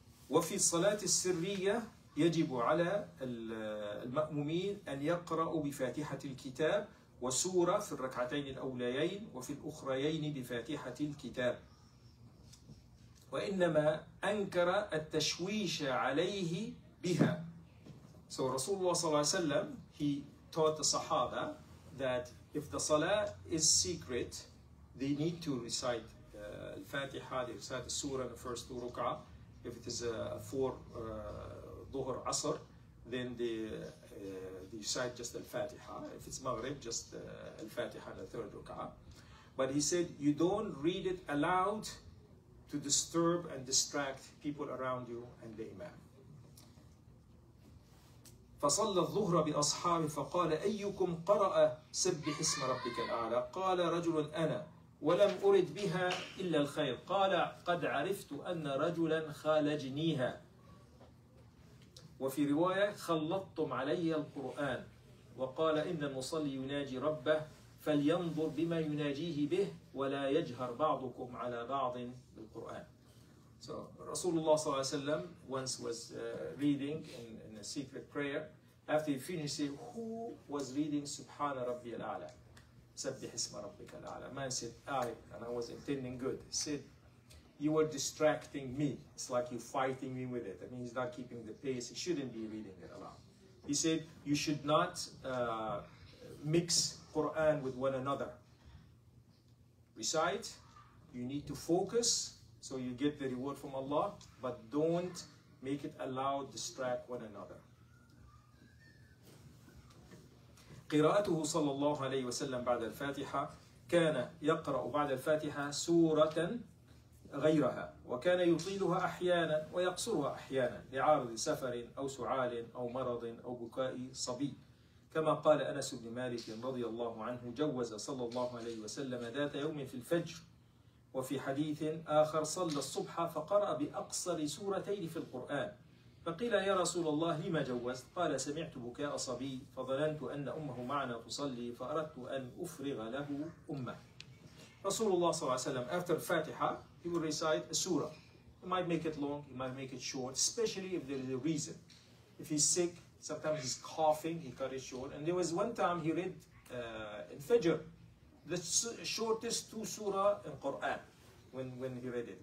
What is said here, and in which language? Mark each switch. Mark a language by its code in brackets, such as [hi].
[ar] وفي الصلاة السرية يجب على المأمومين أن يقرأوا بفاتحة الكتاب وسورة في الركعتين الأوليين وفي الأخريين بفاتحة الكتاب. وإنما أنكر التشويش عليه بها. [en] So Rasulullah [ar] صلى الله عليه وسلم, [en] he taught the Sahaba that if the Salah is secret, they need to recite al-Fatiha, they recite the Surah, the first two ruk'ah. If it is four Dhuhr Asr, then they recite just Al-Fatiha. If it's Maghrib, just Al-Fatiha, the third Ruk'ah. But he said, you don't read it aloud to disturb and distract people around you and the Imam. [ar] فَصَلَّ الظُّهْرَ بِأَصْحَابِ فَقَالَ أَيُّكُمْ قَرَأَ سَبِّحْ اسْمَ رَبِّكَ الْأَعْلَى قَالَ رَجُلٌ أَنَا وَلَمْ أُرِدْ بِهَا إِلَّا الْخَيْرِ قَالَ قَدْ عَرِفْتُ أَنَّ رَجُلًا خَالَجْنِيهَا وفي رواية خلطتم علي القرآن وقال إن المصلي يناجي ربه فلينظر بما يناجيه به ولا يجهر بعضكم على بعض بالقرآن. [en] So Rasulullah [ar] صلى الله عليه وسلم [en] once was reading in a secret prayer. After he finished, he said, who was reading [ar] سبحان ربي الأعلى سبح اسم ربك الأعلى. [en] Man said, I, and I was intending good. He said, you are distracting me. It's like you're fighting me with it. I mean, he's not keeping the pace. He shouldn't be reading it aloud. He said, you should not mix Quran with one another. Recite. You need to focus so you get the reward from Allah, but don't make it aloud, distract one another. [ar] قراءته صلى الله عليه وسلم بعد الفاتحة كان يقرأ بعد الفاتحة سورة غيرها وكان يطيلها أحيانا ويقصرها أحيانا لعارض سفر أو سعال أو مرض أو بكاء صبي كما قال أنس بن مالك رضي الله عنه جوز صلى الله عليه وسلم ذات يوم في الفجر وفي حديث آخر صلى الصبح فقرأ بأقصر سورتين في القرآن فقيل يا رسول الله لما جوزت قال سمعت بكاء صبي فظننت أن أمه معنا تصلي فأردت أن أفرغ له أمه. [en] Rasulullah [ar] صلى الله عليه وسلم, [en] after Fatiha, he will recite a surah. He might make it long, he might make it short, especially if there is a reason. If he's sick, sometimes he's coughing, he cut it short. And there was one time he read in Fajr, the shortest two surah in Quran, when he read it.